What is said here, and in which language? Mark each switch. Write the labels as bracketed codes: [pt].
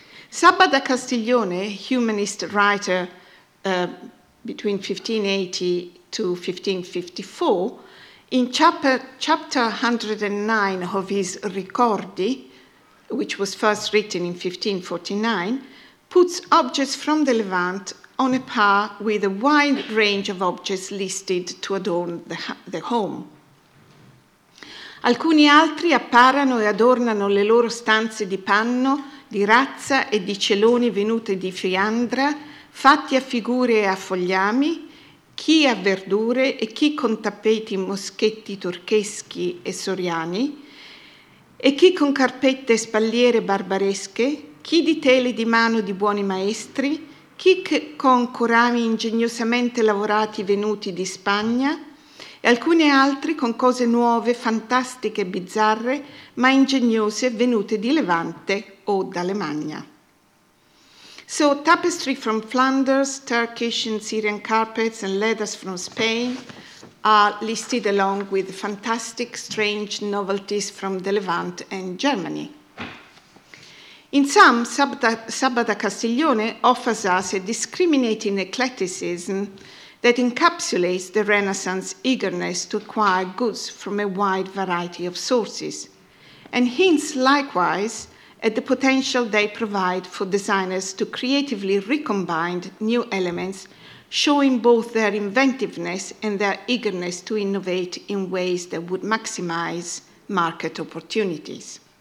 [en] Sabba da Castiglione, humanist writer between 1580 to 1554, in chapter 109 of his Ricordi, which was first written in 1549, puts objects from the Levant on a par with a wide range of objects listed to adorn the home. [it] Alcuni altri apparano e adornano le loro stanze di panno, di razza e di celoni venute di Fiandra, fatti a figure e a fogliami, chi a verdure e chi con tappeti moschetti turcheschi e soriani, e chi con carpette e spalliere barbaresche, chi di tele di mano di buoni maestri, chi con curami ingegnosamente lavorati venuti di Spagna, e alcuni altri con cose nuove, fantastiche e bizzarre, ma ingegnose venute di Levante o d'Alemagna. [en] So tapestry from Flanders, Turkish and Syrian carpets and leathers from Spain are listed along with fantastic, strange novelties from the Levant and Germany. In sum, Sabata Castiglione offers us a discriminating eclecticism that encapsulates the Renaissance eagerness to acquire goods from a wide variety of sources, and hints likewise at the potential they provide for designers to creatively recombine new elements, showing both their inventiveness and their eagerness to innovate in ways that would maximize market opportunities.